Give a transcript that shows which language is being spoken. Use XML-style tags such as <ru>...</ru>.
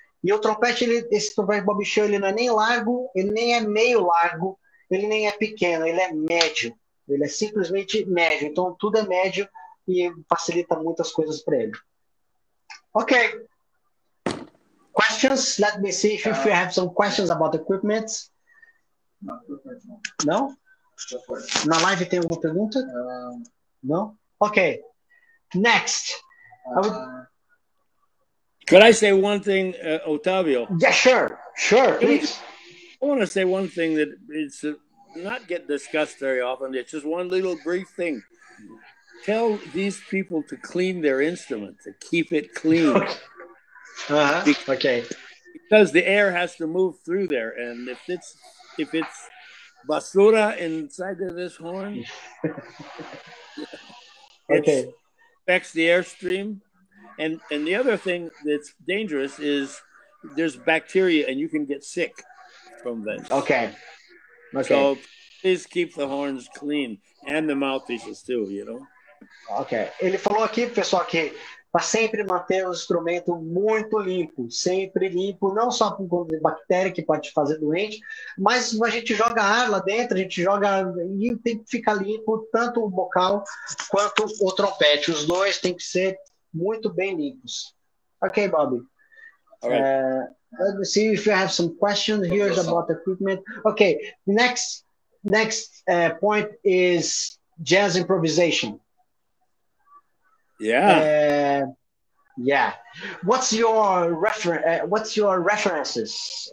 <pt>E o trompete, esse trompete Bobby Shew, ele não é nem largo, ele nem é meio largo, ele nem é pequeno, ele é médio. Ele é simplesmente médio. Então, tudo é médio e facilita muitas coisas para ele.</pt> <en>Ok. Questions? Let me see if you have some questions about equipment.</en> <pt>Não? Na live tem alguma pergunta? Não?</pt> <en>Ok. Next. Could I say one thing, Otavio? Yeah, sure. Sure, please. I want to say one thing that it's not get discussed very often. It's just one little brief thing. Tell these people to clean their instrument, to keep it clean. Okay. Because the air has to move through there. And if it's basura inside of this horn, okay, affects the airstream. And the other thing that's dangerous is there's bacteria and you can get sick from this. Okay. So please keep the horns clean and the mouthpieces too, you know? Okay.</en> <pt>Ele falou aqui, pessoal, que para sempre manter o instrumento muito limpo, sempre limpo, não só por conta de bactéria que pode te fazer doente, mas a gente joga ar lá dentro, a gente joga e tem que ficar limpo tanto o bocal quanto o trompete. Os dois têm que ser muito bem limpos.</pt> <en>Okay, Bobby. All right. Let me see if you have some questions here about equipment. Okay, next point is jazz improvisation. Yeah. What's your references?</en>